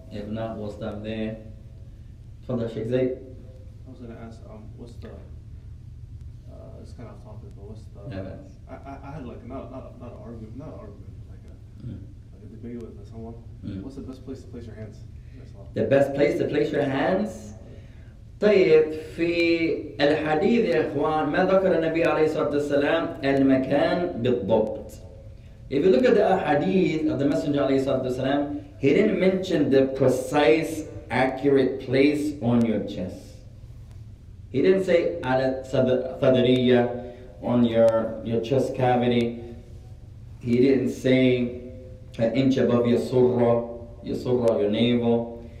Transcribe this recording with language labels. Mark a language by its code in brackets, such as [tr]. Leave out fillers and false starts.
[en] If not, we'll stop there. Tafadhal Sheikh Zayd. I was going to ask, what's the, it's kind of off topic, but what's the, I had like, not an argument, like a debate with someone. Mm. What's the best place to place your hands? The best place to place your hands? [ar] طيب في الحديث يا إخوان ما ذكر النبي عليه الصلاة والسلام المكان بالضبط. [en] If you look at the hadith of the Messenger [ar] عليه الصلاة والسلام, [en] he didn't mention the precise, accurate place on your chest. He didn't say [ar] على صدرية [en] on your chest cavity. He didn't say an inch above your surra, your navel.